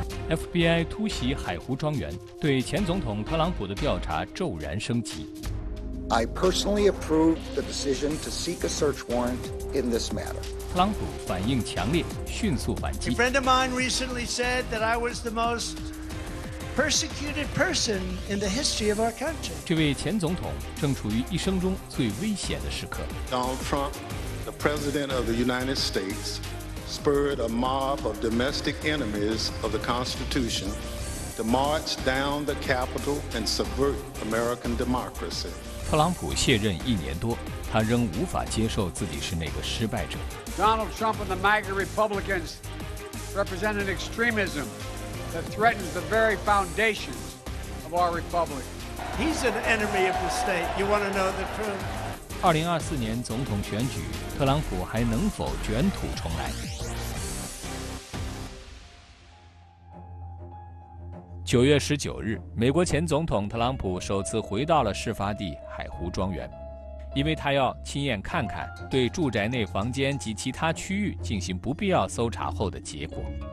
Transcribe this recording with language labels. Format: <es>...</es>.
<zh>FBI 突袭海湖庄园，对前总统特朗普的调查骤然升级。</zh> <en>I personally approve the decision to seek a search warrant in this matter.</en> <zh>特朗普反应强烈，迅速反击。</zh> <en>A friend of mine recently said that I was the most persecuted person in the history of our country.</en> <zh>这位前总统正处于一生中最危险的时刻。</zh> <en>Donald Trump, the president of the United States, spurred a mob of domestic enemies of the Constitution to march down the Capitol and subvert American democracy.</en> <zh>特朗普卸任一年多，他仍无法接受自己是那个失败者。</zh> <en>Donald Trump and the MAGA Republicans represent an extremism that threatens the very foundations of our republic. He's an enemy of the state. You want to know the truth?</en> <zh>2024年总统选举，特朗普还能否卷土重来？ 9月19日，美国前总统特朗普首次回到了事发地海湖庄园，因为他要亲眼看看对住宅内房间及其他区域进行不必要搜查后的结果。</zh>